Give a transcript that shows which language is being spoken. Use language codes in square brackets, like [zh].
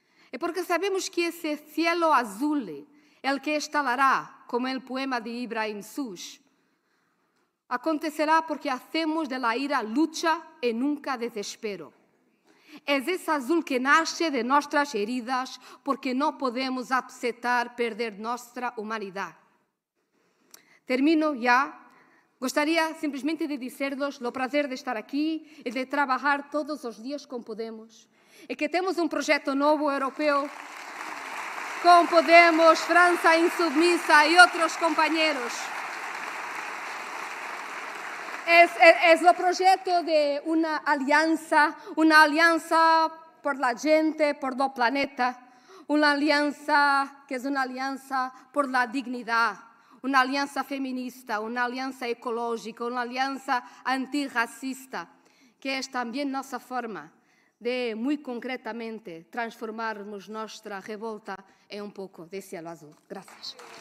[es] Y porque sabemos que ese cielo azul, el que estalará, como el poema de Ibrahim Sush, acontecerá porque hacemos de la ira lucha y nunca desespero. Es ese azul que nace de nuestras heridas porque no podemos aceptar perder nuestra humanidad. Termino ya. [pt] Gostaria simplesmente de dizer-vos o prazer de estar aqui e de trabalhar todos os dias com Podemos. E que temos projeto novo europeu com Podemos, França Insubmissa e outros companheiros. É o projeto de uma aliança [es] por la gente, [pt] por o planeta, uma aliança que é uma aliança por la dignidade. [es] Una alianza feminista, una alianza ecológica, una alianza antirracista, que es también nuestra forma de, muy concretamente, transformarmos nuestra revolta en un poco de cielo azul. Gracias.